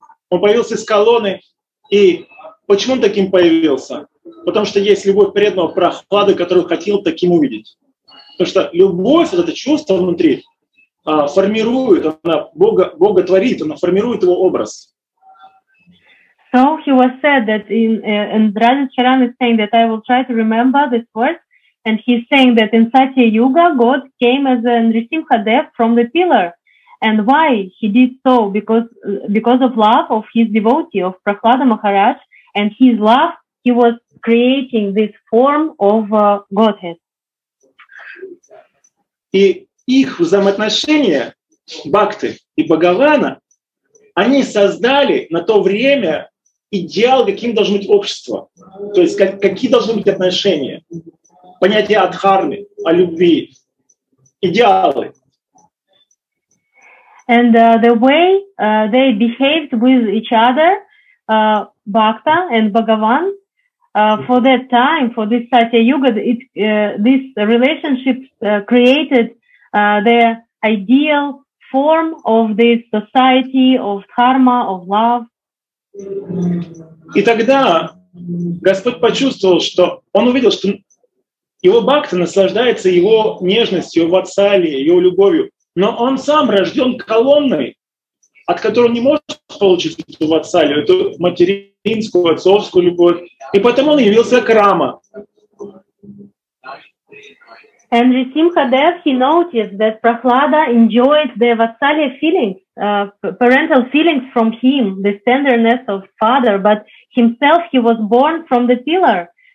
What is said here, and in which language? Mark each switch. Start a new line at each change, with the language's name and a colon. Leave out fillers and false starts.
Russian: Он появился из колонны. И почему он таким появился? Потому что есть любовь преданного Прохлады, которую хотел таким увидеть. Потому что любовь, вот это чувство внутри, формирует, она Бога творит, она формирует его образ.
English: So he was said that in Radha Charan is saying that I will try to remember this verse. And he's saying that in Satya Yuga, God came as a Nrisimhadev from the pillar. And why he did so? Because of love of his devotee, of Prahlada Maharaj, and his love, he was creating this form of Godhead.
Russian: И их взаимоотношения, Бхакти и Бхагавана, они создали на то время идеал, каким должно быть общество. То есть какие должны быть отношения. Понятие адхармы, о любви, идеалы.
English: And the way they behaved with each other, Bhakta and Bhagavan, for that time, for this Satya Yuga, this relationship created their ideal form of this society, of dharma, of love.
Russian: И тогда Господь почувствовал, что Он увидел, что Его бхакта наслаждается его нежностью, его ватсалья, его любовью, но он сам рожден колонной, от которой он не может получить эту ватсалью, эту материнскую, отцовскую любовь. И поэтому он явился к Рама.
English: And Nrisimhadev, he noticed that Prahlada enjoyed the vatsalya feelings, parental feelings from him, the tenderness of father, but himself he was born from the pillar.